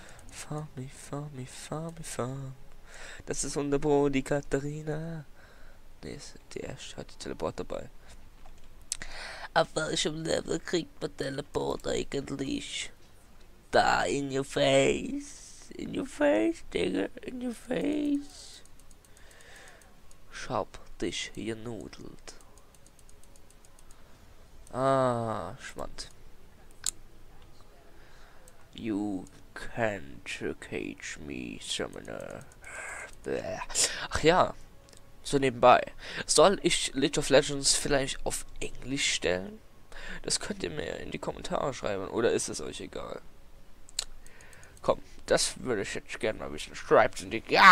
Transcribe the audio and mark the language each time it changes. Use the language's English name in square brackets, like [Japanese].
[German] Farme die Farm. Das ist unser Bro, die Katharina. Nee, die erste hat die Teleport dabei. Auf welchem Level kriegt man Teleport eigentlich? Da, [English] in your face. In your face, [German] Digga, [English] in your face. [German] Schaub dich hier nudelt. Ah, Schmand. [English] You can't cage me, Summoner. [German] Ach ja. So nebenbei. Soll ich League of Legends vielleicht auf Englisch stellen? Das könnt ihr mir in die Kommentare schreiben. Oder ist es euch egal? Komm, das würde ich jetzt gerne mal wissen. Schreibt in die...